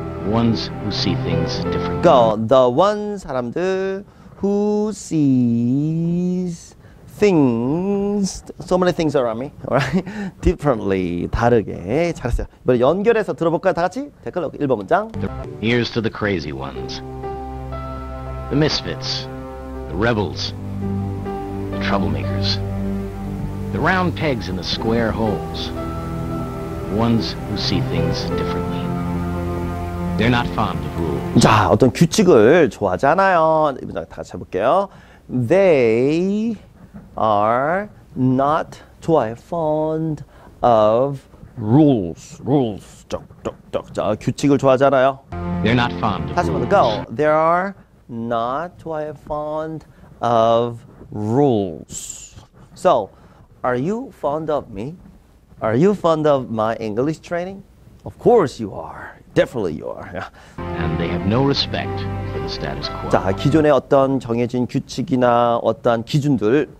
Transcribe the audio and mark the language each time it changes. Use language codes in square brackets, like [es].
[en] Ones who see things differently. Go. The ones [ko] 사람들 [en] who sees things. So many things around me. Alright. Differently. [ko] 다르게. 잘했어요. 이번에 연결해서 들어볼까요? 다 같이 댓글로 1번 문장. [en] Here's to the crazy ones. The misfits, the rebels, the troublemakers, the round pegs in the square holes, the ones who see things differently. They're not fond of rules. [ko] 자, 어떤 규칙을 좋아하지 않아요. 이 문장 다 같이 해볼게요. [en] They are not [ko] 좋아해, [en] fond of rules. Rules. 쩍쩍쩍. [ko] 자, 규칙을 좋아하지 않아요. [en] They're not fond of 다시 한번 go. There are not too fond of rules. So, are you fond of me? Are you fond of my English training? Of course you are. Definitely you are. And they have no respect for the status quo. [ko] 자, 기존의 어떤 정해진 규칙이나 어떤 기준들.